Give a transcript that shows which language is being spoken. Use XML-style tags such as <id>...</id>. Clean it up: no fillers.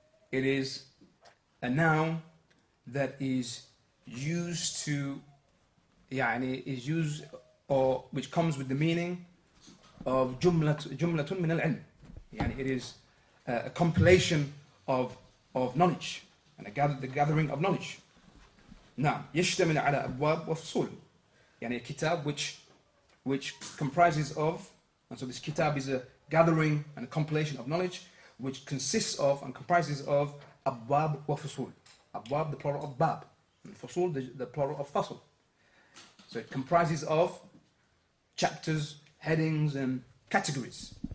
<en>It is a noun that is used to, يعني is used, or which comes with the meaning of</en> <ar>جملة من العلم.</ar> <en>يعني it is a compilation of knowledge, and the gathering of knowledge.</en> <ar>نعم يشتمل على أبواب وفصول.</ar> <en>يعني a kitab which comprises of, and so this kitab is a gathering and a compilation of knowledge which consists of and comprises of</en> <ar>abwab wa fusul.</ar> <en>Abwab, the plural of bab, and fusul, the plural of fasl. So it comprises of chapters, headings, and categories.</en>